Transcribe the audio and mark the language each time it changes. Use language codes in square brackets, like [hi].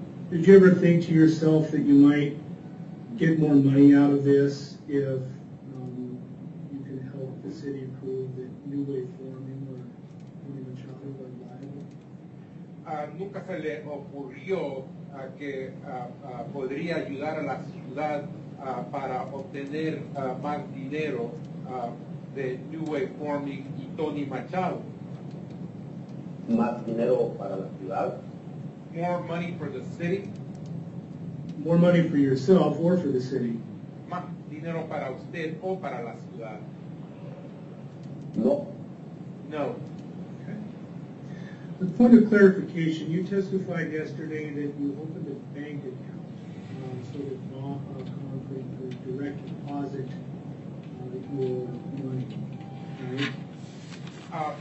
[en] Did you ever think to yourself that you might get more money out of this if you can help the city prove that New Way Forming or Anthony Machado are liable? [es] Nunca se le ocurrió que podría ayudar a la ciudad para obtener más dinero de New Way Forming y Tony Machado. ¿Más dinero para la ciudad? [en] more money for the city? More money for yourself or for the city? [es] Más dinero para usted o para la ciudad. No. [en] No. Okay. A point of clarification, you testified yesterday that you opened a bank account so that Concrete could direct deposit your money, right?